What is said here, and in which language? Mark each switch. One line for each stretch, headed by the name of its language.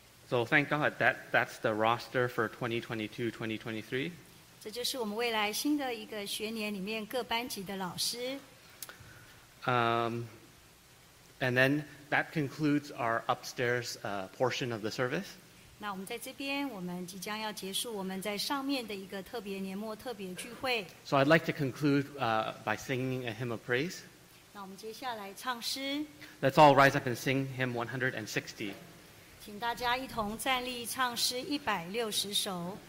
English: So thank God that's the roster for 2022-2023.
Chinese: 这就是我们未来新的一个学年里面各班级的老师。
English: And then that concludes our upstairs portion of the service.
Chinese: 那我们在这边，我们即将要结束我们在上面的一个特别年末特别聚会。
English: So I'd like to conclude by singing a hymn of praise.
Chinese: 那我们接下来唱诗。
English: Let's all rise up and sing hymn 160.
Chinese: 请大家一同站立，唱诗160首。